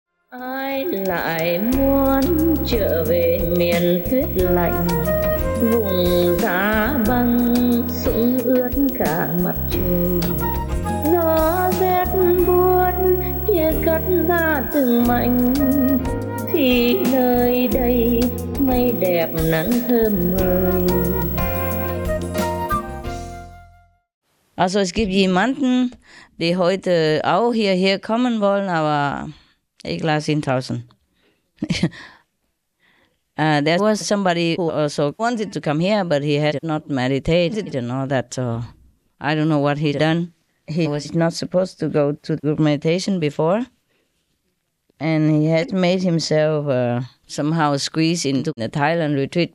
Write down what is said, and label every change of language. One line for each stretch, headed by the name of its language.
Vietnamese: Ai lại muốn trở về miền tuyết lạnh, vùng giá băng sũng ướt cả mặt trời. Gió rét buốt kia cắt ra từng mảnh, thì nơi đây mây đẹp nắng thơm mời.
German: Also es gibt jemanden, die heute auch hierher kommen wollen, aber ich lasse ihn draußen.
English: There was somebody who also wanted to come here, but he had not meditated and all that. So I don't know what he done. He was not supposed to go to group meditation before. And he had made himself somehow squeeze into the Thailand retreat.